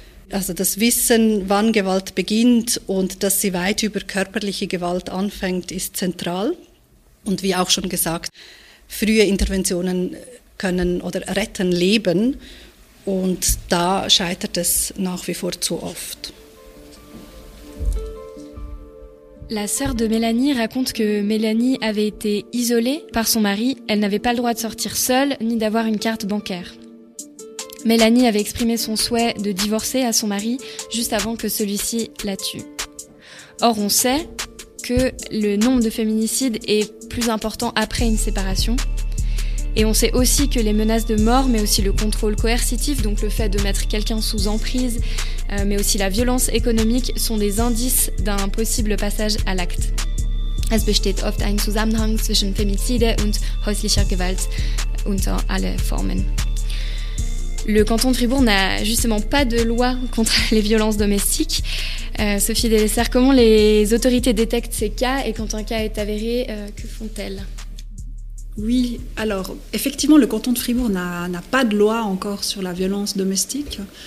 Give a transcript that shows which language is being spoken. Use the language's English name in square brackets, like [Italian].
[German] Also das Wissen, wann Gewalt beginnt und dass sie weit über körperliche Gewalt anfängt, ist zentral. Und wie auch schon gesagt, frühe Interventionen können oder retten Leben, und da scheitert es nach wie vor zu oft. [French] La sœur de Mélanie raconte que Mélanie avait été isolée par son mari, elle n'avait pas le droit de sortir seule ni d'avoir une carte bancaire. Mélanie avait exprimé son souhait de divorcer à son mari juste avant que celui-ci la tue. Or, on sait que le nombre de féminicides est plus important après une séparation. Et on sait aussi que les menaces de mort, mais aussi le contrôle coercitif, donc le fait de mettre quelqu'un sous emprise, mais aussi la violence économique, sont des indices d'un possible passage à l'acte. [German] Es besteht oft ein Zusammenhang zwischen Femizide und häuslicher Gewalt unter alle Formen. [French] Le canton de Fribourg n'a justement pas de loi contre les violences domestiques. Sophie Delessert, comment les autorités détectent ces cas et quand un cas est avéré, que font-elles ? Oui, alors effectivement, le canton de Fribourg n'a pas de loi encore sur la violence domestique.